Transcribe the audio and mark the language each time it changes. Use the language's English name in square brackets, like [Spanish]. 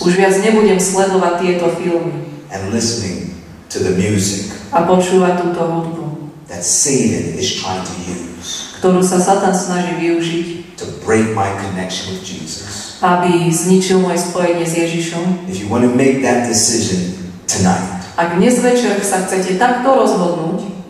[Slovak] Už viac nebudem sledovať tieto filmy. [English] And listening to the music. [Slovak] A počúvať túto hudbu. [English] That Satan is trying to use. [Slovak] Ktorú sa Satan snaží využiť. [English] To break my connection with Jesus. [Slovak] Aby zničil moje spojenie s Ježišom. [English] If you want to make that decision tonight. [Slovak] Ak dnes večer sa chcete takto rozhodnúť.